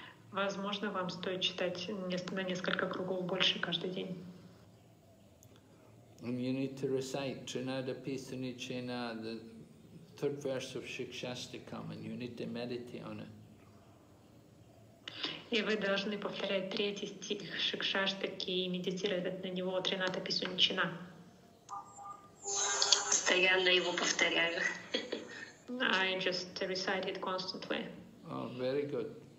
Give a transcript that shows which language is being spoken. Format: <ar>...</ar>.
<ru>Возможно, вам стоит читать на несколько кругов больше каждый день.</ru> <en>And you need to recite Trinada Pisani Chena, the third verse of Shikshastakam, and you need to meditate on it.</en> <ru>И вы должны повторять третий стих Шикшаштаки и медитировать на него 13 писунчина. Постоянно его повторяю.</ru> <en>I just recite it constantly. Oh, very good.</en>